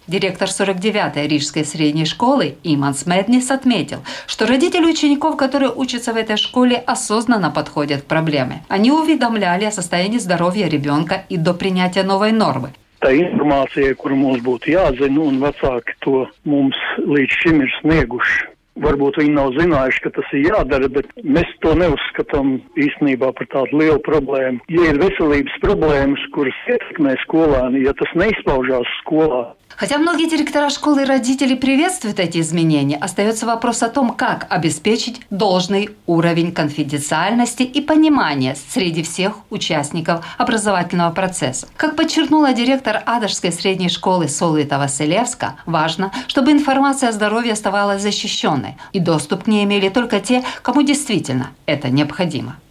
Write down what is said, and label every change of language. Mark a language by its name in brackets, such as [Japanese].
[Russian] Директор 49-й Рижской средней школы Иманс Меднис отметил, что родители учеников, которые учатся в этой школе, осознанно подходят к проблеме. Они уведомляли о состоянии здоровья ребенка и до принятия новой нормы. Та информация, которую мы должны быть знать, и родители, кто нам лично снегуши. [Latvian] Varbūt viņi nav zinājuši, ka tas ir jādara, bet mēs to neuzskatām īstenībā par tādu lielu problēmu. Ja ir veselības problēmas, kuras ietekmē skolēni, ja tas neizpaužās skolā. [Russian] Хотя многие директора школы и родители приветствуют эти изменения, остается вопрос о том, как обеспечить должный уровень конфиденциальности и понимания среди всех участников образовательного процесса. Как подчеркнула директор Адажской средней школы Солвита Василевска, важно, чтобы информация о здоровье оставалась защищенной и доступ к ней имели только те, кому действительно это необходимо.